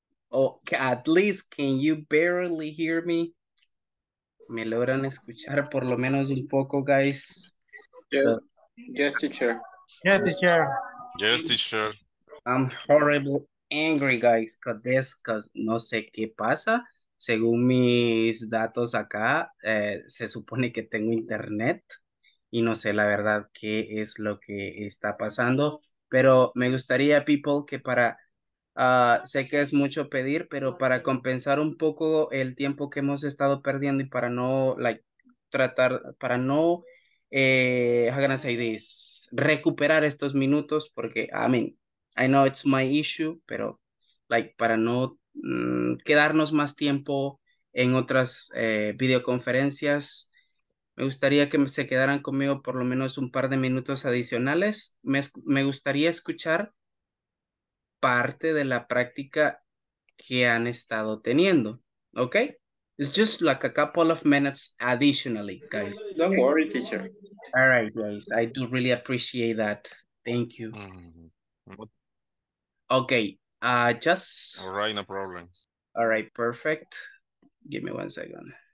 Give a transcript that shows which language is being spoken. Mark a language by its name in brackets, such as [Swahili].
[English] Oh, at least, can you barely hear me? [Spanish] ¿Me logran escuchar por lo menos un poco, guys? [English] Yes, teacher. Yes, teacher. Yes, teacher. I'm horrible angry, guys, because [Spanish] no sé qué pasa. Según mis datos acá, se supone que tengo internet y no sé la verdad qué es lo que está pasando. Pero me gustaría, people, que para, sé que es mucho pedir, pero para compensar un poco el tiempo que hemos estado perdiendo y para no, like, tratar, para no, [English] how can I say this, [Spanish] recuperar estos minutos, porque, [English] I mean, I know it's my issue, [Spanish] pero, like, para no quedarnos más tiempo en otras videoconferencias, me gustaría que se quedaran conmigo por lo menos un par de minutos adicionales. Me gustaría escuchar parte de la práctica que han estado teniendo, okay? [English] It's just like a couple of minutes additionally, guys. Don't worry, teacher. All right, guys. I do really appreciate that. Thank you. Okay. All right, no problems. All right, perfect. Give me 1 second.